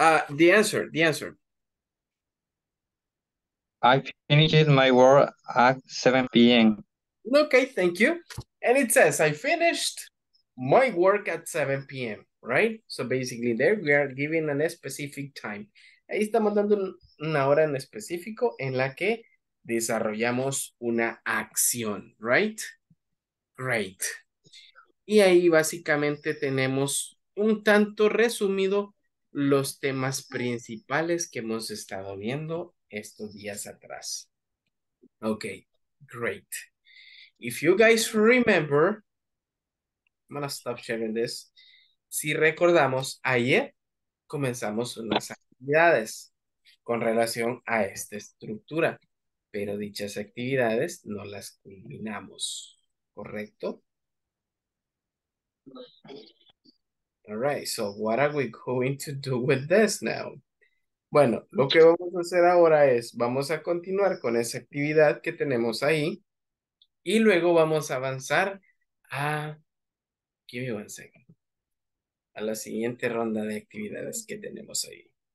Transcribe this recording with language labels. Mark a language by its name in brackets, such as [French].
[English] The answer. I finished my work at 7 p.m. Okay, thank you. And it says, I finished my work at 7 p.m., right? So basically there we are giving a specific time. [Spanish] Ahí estamos dando una hora en específico en la que desarrollamos una acción, right? Great. Y ahí básicamente tenemos un tanto resumido los temas principales que hemos estado viendo estos días atrás. [English] Okay, great. If you guys remember, I'm gonna stop sharing this. [Spanish] Si recordamos, ayer comenzamos unas actividades con relación a esta estructura, pero dichas actividades no las culminamos, ¿correcto? [English] All right, so what are we going to do with this now? [Spanish] Bueno, lo que vamos a hacer ahora es, vamos a continuar con esa actividad que tenemos ahí y luego vamos a avanzar a, [English] give me one second, [Spanish] a la siguiente ronda de actividades que tenemos ahí.